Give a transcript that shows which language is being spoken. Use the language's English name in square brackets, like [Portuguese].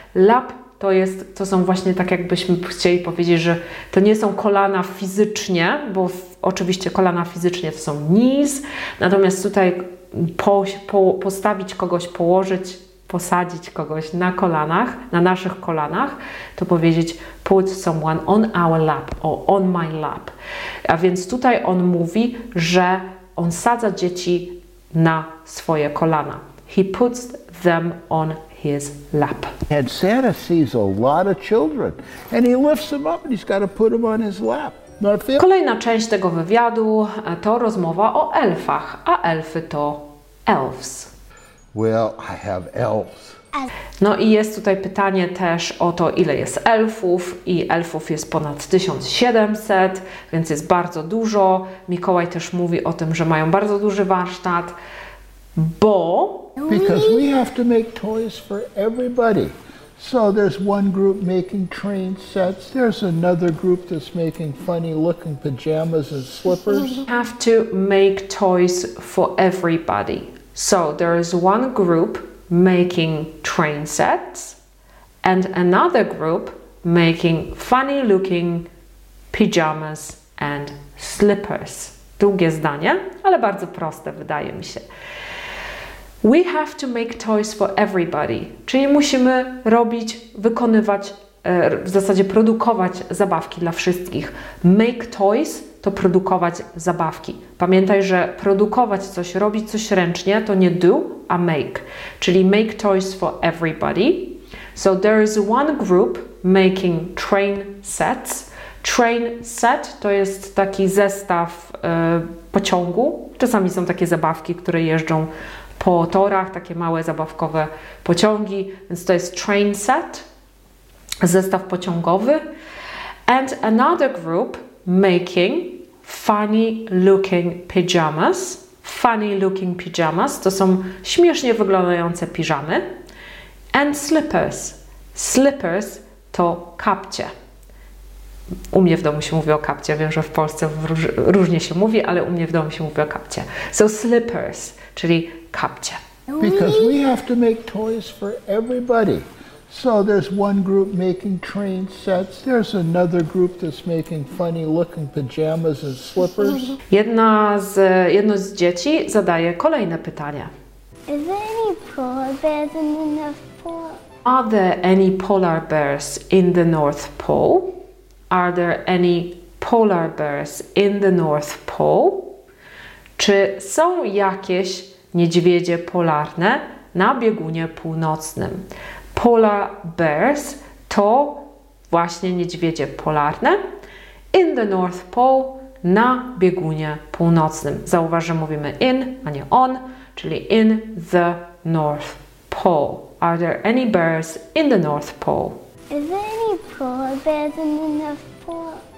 [Polish] Lap to są właśnie tak jakbyśmy chcieli powiedzieć, że to nie są kolana fizycznie, bo oczywiście kolana fizycznie to są knees, natomiast tutaj postawić kogoś, położyć, posadzić kogoś na kolanach, na naszych kolanach, to powiedzieć [English] put someone on our lap, or on my lap. [Polish] A więc tutaj on mówi, że on sadza dzieci na swoje kolana. [English] He puts them on his lap. And Santa sees a lot of children and he lifts them up and he's got to put them on his lap. [Polish] Kolejna część tego wywiadu to rozmowa o elfach, a elfy to elves. [English] Well, I have elves. [Polish] No i jest tutaj pytanie też o to, ile jest elfów i elfów jest ponad 1700, więc jest bardzo dużo. Mikołaj też mówi o tym, że mają bardzo duży warsztat, bo [English] because we have to make toys for everybody. So there's one group making train sets, there's another group that's making funny looking pajamas and slippers. We have to make toys for everybody. So there is one group making train sets, and another group making funny looking pajamas and slippers. [Polish] Długie zdanie, ale bardzo proste, wydaje mi się. [English] We have to make toys for everybody. [Polish] Czyli musimy robić, wykonywać, w zasadzie produkować zabawki dla wszystkich. [English] Make toys [Polish] to produkować zabawki. Pamiętaj, że produkować coś, robić coś ręcznie, to nie do, a make. Czyli [English] make toys for everybody. So there is one group making train sets. [Polish] Train set to jest taki zestaw pociągu. Czasami są takie zabawki, które jeżdżą po torach, takie małe zabawkowe pociągi. Więc to jest train set, zestaw pociągowy. [English] And another group making funny looking pajamas. Funny looking pajamas [Polish] to są śmiesznie wyglądające piżamy. [English] And slippers. Slippers [Polish] to kapcie. U mnie w domu się mówi o kapcie. Wiem, że w Polsce różnie się mówi, ale u mnie w domu się mówi o kapcie. [English] So slippers, [Polish] czyli kapcie. [English] Because we have to make toys for everybody. So there's one group making train sets. There's another group that's making funny looking pajamas and slippers. [Polish] Jedno z dzieci zadaje kolejne pytanie. [English] Is there any polar bears in the North Pole? Are there any polar bears in the North Pole? Are there any polar bears in the North Pole? [Polish] Czy są jakieś niedźwiedzie polarne na biegunie północnym? Polar bears to właśnie niedźwiedzie polarne [English] in the North Pole [Polish] na biegunie północnym. Zauważ, że mówimy in, a nie on, czyli [English] in the North Pole. Are there any bears in the North Pole? Is there any polar bears in the North Pole?